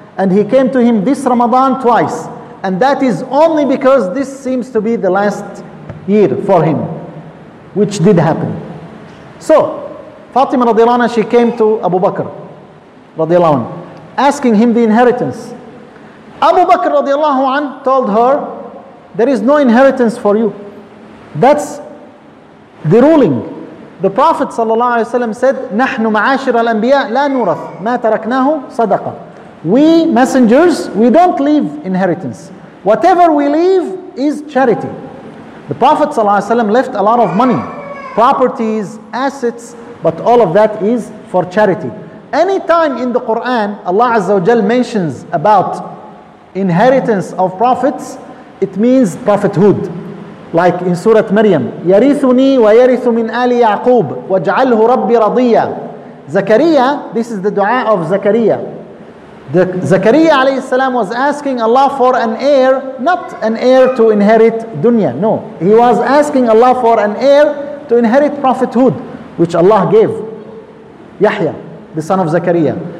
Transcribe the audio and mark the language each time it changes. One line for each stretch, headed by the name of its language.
English: And he came to him this Ramadan twice. And that is only because this seems to be the last year for him, which did happen. So, Fatima radiallahu anha, she came to Abu Bakr radiallahu anha, asking him the inheritance. Abu Bakr radiallahu anh told her, there is no inheritance for you. That's the ruling. The Prophet
Arabic: sallallahu alaihi wasallam
English: said,
Arabic: نَحْنُ مَعَاشِرَ الْأَنْبِيَاءِ لَا نُورَثْ مَا تَرَكْنَاهُ صَدَقَ.
English: We messengers, we don't leave inheritance. Whatever we leave is charity. The Prophet sallallahu alaihi wasallam left a lot of money, properties, assets, but all of that is for charity. Anytime in the Quran, Allah azza wa jal mentions about inheritance of prophets, it means prophethood. Like in
Arabic: Surah Maryam, يَرِثُنِي وَيَرِثُ مِنْ آلِ يَعْقُوبُ وَاجْعَلْهُ رَبِّ رَضِيًّا.
English: Zakaria, this is the dua of Zakaria. Zakaria alayhi salam was asking Allah for an heir, not an heir to inherit dunya. No, he was asking Allah for an heir to inherit prophethood. which Allah gave Yahya, the son of Zakaria.